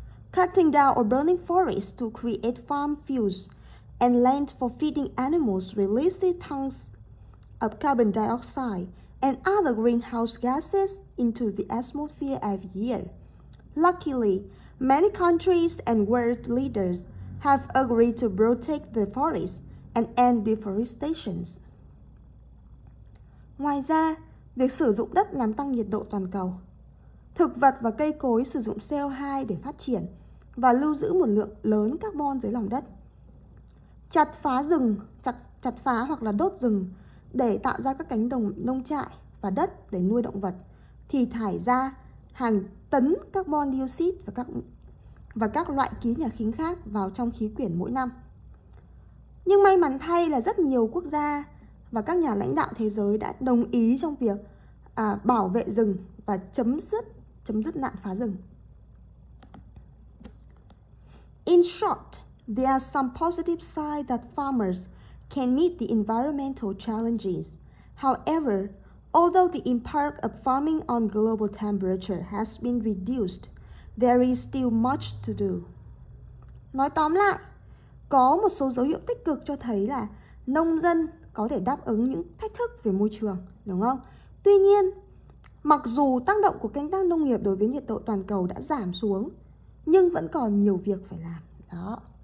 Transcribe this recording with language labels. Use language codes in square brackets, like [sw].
[en] Cutting down or burning forests to create farm fuels and land for feeding animals releases tons of carbon dioxide and other greenhouse gases into the atmosphere every year. Luckily, many countries and world leaders have agreed to protect the forests and end deforestation. [vi] Ngoài ra, việc sử dụng đất làm tăng nhiệt độ toàn cầu. Thực vật và cây cối sử dụng CO2 để phát triển và lưu giữ một lượng lớn carbon dưới lòng đất. Chặt phá rừng, chặt phá hoặc là đốt rừng để tạo ra các cánh đồng nông trại và đất để nuôi động vật thì thải ra hàng tấn carbon dioxide và các loại khí nhà kính khác vào trong khí quyển mỗi năm. Nhưng may mắn thay là rất nhiều quốc gia và các nhà lãnh đạo thế giới đã đồng ý trong việc bảo vệ rừng và chấm dứt nạn phá rừng. [en] In short, there are some positive signs that farmers can meet the environmental challenges. However, although the impact of farming on global temperature has been reduced, there is still much to do. [vi] Nói tóm lại, có một số dấu hiệu tích cực cho thấy là nông dân có thể đáp ứng những thách thức về môi trường, đúng không? Tuy nhiên, mặc dù tác động của canh tác nông nghiệp đối với nhiệt độ toàn cầu đã giảm xuống, nhưng vẫn còn nhiều việc phải làm. Đó.